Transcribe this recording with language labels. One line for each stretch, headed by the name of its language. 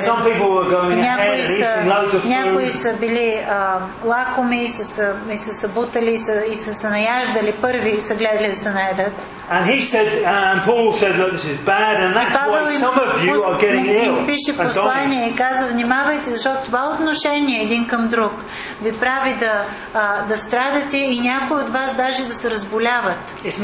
English: Some people were going ahead,
Bulgarian: някои са били лакоми и са събутали и са се наяждали първи и са гледали да се наедат.
English: And he said, and Paul said, look, this is bad, and that's why some of you are getting ill.
Bulgarian: Пише послание и казва, внимавайте, защото това отношение един към друг ви прави да, да страдате и някои от вас даже да се разболяват.